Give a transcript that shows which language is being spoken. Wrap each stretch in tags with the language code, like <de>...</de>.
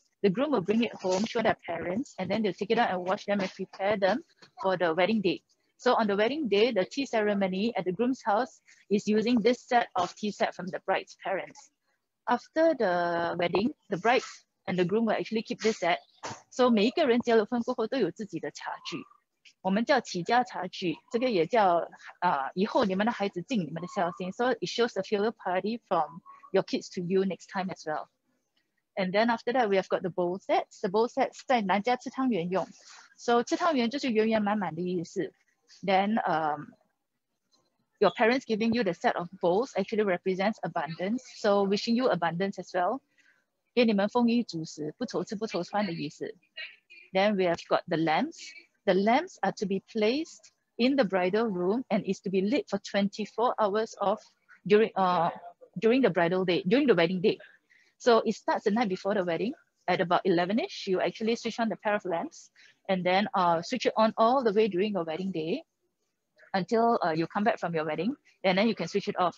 <en>The groom will bring it home, show their parents, and then they'll take it out and wash them and prepare them for the wedding day. So on the wedding day, the tea ceremony at the groom's house is using this set of tea set from the bride's parents. After the wedding, the bride and the groom will actually keep this set.</en> <zh>So 每一个人结了婚过后都有自己的茶具，我们叫起家茶具，这个也叫以后你们的孩子敬你们的孝心。</zh> <en>So it shows the filial piety from your kids to you next time as well. And then after that, we have got the bowl sets. The bowl sets</en> <zh>在南家吃汤圆用。 So 吃汤圆就是圆圆满满的意思。</zh> <en>Then your parents giving you the set of bowls actually represents abundance. So wishing you abundance as well.</en> <zh>给你们丰衣足食，不愁吃不愁穿的意思。</zh> <en>Then we have got the lamps. The lamps are to be placed in the bridal room and is to be lit for 24 hours of during the bridal day, during the wedding day. So it starts the night before the wedding at about 11-ish. You actually switch on the pair of lamps and then switch it on all the way during your wedding day until you come back from your wedding, and then you can switch it off.</en>